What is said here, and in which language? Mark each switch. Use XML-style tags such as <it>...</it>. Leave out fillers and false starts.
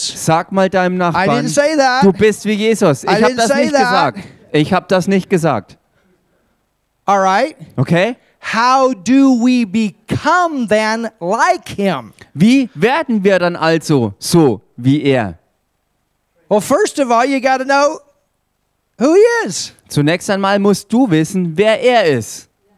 <de>Sag mal deinem Nachbarn.</de> <en>I didn't say that.</en> <de>Du bist wie Jesus. Ich habe das nicht</de> <en>that.</en> <de>Gesagt. Ich habe das nicht gesagt.</de> <en>All right?</en> <de>Okay?</de> <en>How do we become then like him?</en> <de>Wie werden wir dann also so wie er?</de> <en>Well, first of all, you got to know who he is.</en> <de>Zunächst einmal musst du wissen, wer er ist.</de>